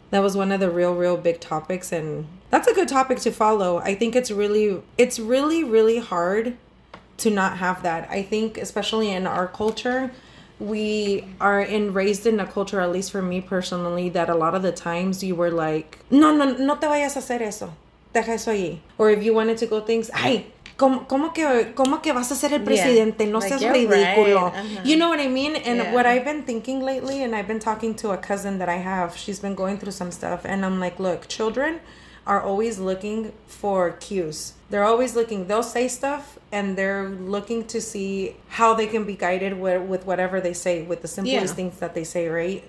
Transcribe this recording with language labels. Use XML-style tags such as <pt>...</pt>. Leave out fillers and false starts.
<en>That was one of the real, real big topics, and that's a good topic to follow. I think it's really hard to not have that. I think especially in our culture, we are raised in a culture, at least for me personally, that a lot of the times you were like, no, no, no te vayas a hacer eso.</en> <es>Deja eso allí.</es> <en>Or if you wanted to go things, ay, ¿cómo que vas a ser el presidente? No seas ridículo. Right. Uh-huh. You know what I mean? And what I've been thinking lately, and I've been talking to a cousin that I have, she's been going through some stuff, and I'm like, look, children are always looking for cues. They're always looking. They'll say stuff, and they're looking to see how they can be guided with whatever they say, with the simplest things that they say, right?</en>